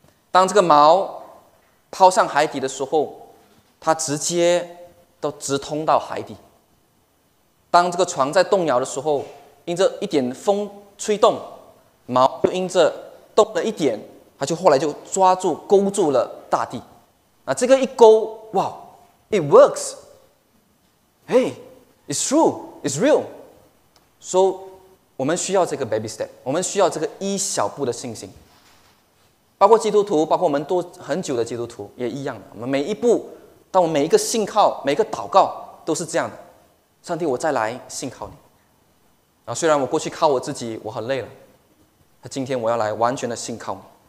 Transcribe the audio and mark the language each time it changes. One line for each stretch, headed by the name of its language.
Chinese: 当这个锚抛上海底的时候，它直接都直通到海底。当这个船在动摇的时候，因着一点风吹动，锚就因着动了一点，它就后来就抓住勾住了大地。那这个一勾，哇 ，
English: It works， Hey， It's true， It's real。
Chinese: So， 我们需要这个 baby step， 我们需要这个一小步的信心。包括基督徒，包括我们多很久的基督徒也一样的。我们每一步，当我们每一个信靠，每一个祷告都是这样的。上帝，我再来信靠你。啊，虽然我过去靠我自己，我很累了，那今天我要来完全的信靠你。